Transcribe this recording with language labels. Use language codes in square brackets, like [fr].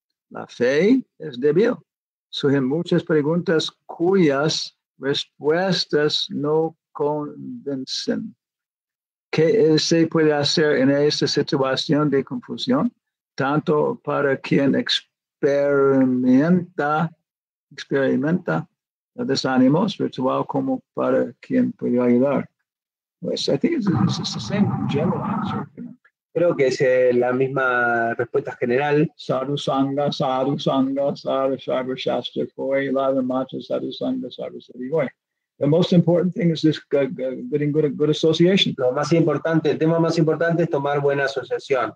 [es] La fe es débil. Surgen muchas preguntas cuyas respuestas no convencen. ¿Qué se puede hacer en esta situación de confusión? Tanto para quien experimenta el desánimo espiritual como para quien puede ayudar. [en] Pues, I think it's the same general answer. [es] Creo que es la misma respuesta general. Sadhu Sangha, Sadhu Sangha, Sadhu Sarva Shastra Koi, Lava Macha, Sadhu Sangha, Sadhu Sarva Koi. [en] The most important thing is this getting good association. [es] Lo más importante, el tema más importante es tomar buena asociación.